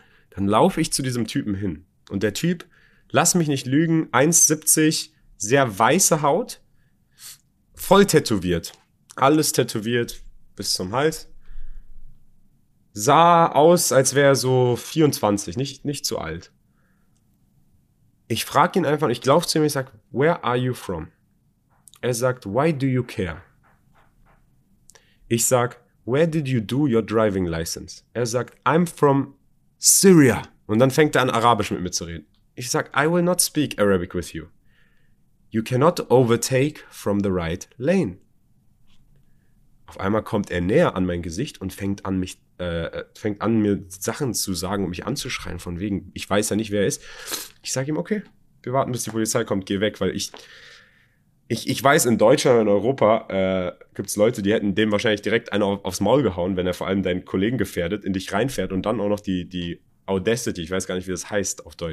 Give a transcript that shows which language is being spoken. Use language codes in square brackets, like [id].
[de] Dann laufe ich zu diesem Typen hin. Und der Typ, lass mich nicht lügen, 1,70, sehr weiße Haut, voll tätowiert, alles tätowiert bis zum Hals, sah aus, als wäre er so 24, nicht zu alt. Ich frage ihn einfach, ich laufe zu ihm, ich sage, [en] where are you from? [de] Er sagt, [en] why do you care? [de] Ich sage, [en] where did you do your driving license? [de] Er sagt, [en] I'm from Syria. [de] Und dann fängt er an, Arabisch mit mir zu reden. Ich sage, [en] I will not speak Arabic with you. You cannot overtake from the right lane. [de] Auf einmal kommt er näher an mein Gesicht und fängt an, mir Sachen zu sagen und mich anzuschreien, von wegen, ich weiß ja nicht, wer er ist. Ich sage ihm, okay, wir warten, bis die Polizei kommt, geh weg, weil ich weiß, in Deutschland, in Europa gibt es Leute, die hätten dem wahrscheinlich direkt einen aufs Maul gehauen, wenn er vor allem deinen Kollegen gefährdet, in dich reinfährt und dann auch noch die Audacity, ich weiß gar nicht, wie das heißt auf Deutsch.